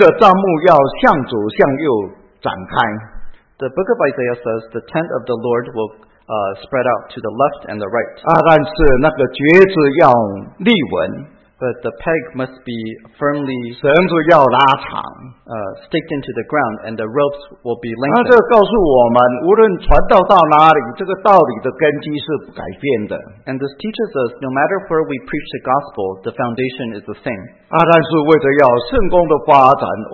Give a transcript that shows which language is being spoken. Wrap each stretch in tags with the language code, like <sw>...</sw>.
<zh>以赛亚书里面说啊，神的帐幕要向左向右展开。</zh> <en>The book of Isaiah says the tent of the Lord will spread out to the left and the right.</en> <zh>啊，但是那个橛子要立稳。</zh> <en>But the peg must be firmly</en> <zh>绳子要拉长,</zh> <en>staked into the ground, and the ropes will be lengthened. And this teaches us, no matter where we preach the gospel, the foundation is the same.</en> <zh>但是为了要圣工的发展,</zh>